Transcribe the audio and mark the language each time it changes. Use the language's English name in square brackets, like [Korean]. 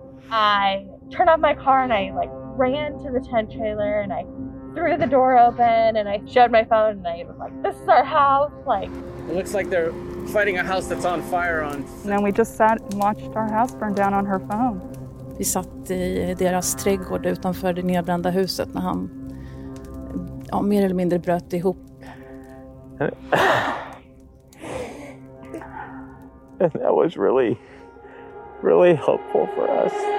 [English] I turned off my car and I like ran to the tent trailer and I threw the door open and I showed my phone and I was like, this is our house. Like, it looks like they're fighting a house that's on fire on. And then we just sat and watched our house burn down on her phone. [Swedish] Vi satt i deras trädgård utanför det nedbrända huset när han ja, mer eller mindre bröt ihop. [English] And that was really, really helpful for us.